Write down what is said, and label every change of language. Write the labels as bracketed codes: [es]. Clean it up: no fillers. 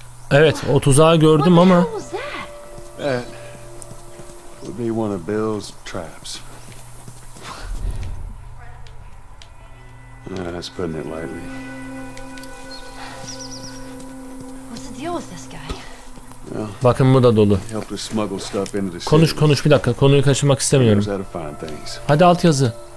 [tr] Evet, o tuzağı gördüm ama. [en] Would be one of Bill's traps. That's putting it lightly. What's the deal with this guy? [tr] Bakın bu da dolu. Konuş konuş bir dakika, konuyu kaçırmak istemiyorum. Hadi alt yazı.